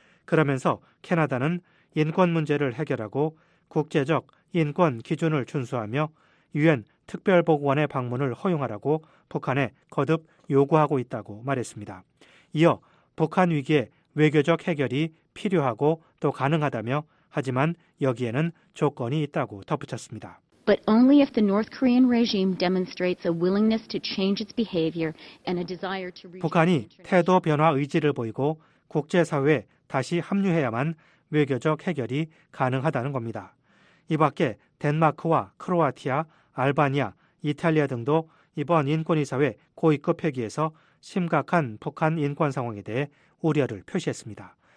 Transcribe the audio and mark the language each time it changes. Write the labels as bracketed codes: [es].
[ko] 그러면서 캐나다는 인권 문제를 해결하고 국제적 인권 기준을 준수하며 유엔 특별보고관의 방문을 허용하라고 북한에 거듭 요구하고 있다고 말했습니다. 이어 북한 위기에 외교적 해결이 필요하고 또 가능하다며 하지만 여기에는 조건이 있다고 덧붙였습니다. [en] But only if the North Korean regime demonstrates a willingness to change its behavior and a desire to [ko] 북한이 태도 변화 의지를 보이고 국제 사회에 다시 합류해야만 외교적 해결이 가능하다는 겁니다. 이 밖에 덴마크와 크로아티아, 알바니아, 이탈리아 등도 이번 인권이사회 고위급 회기에서 심각한 북한 인권 상황에 대해 우려를 표시했습니다.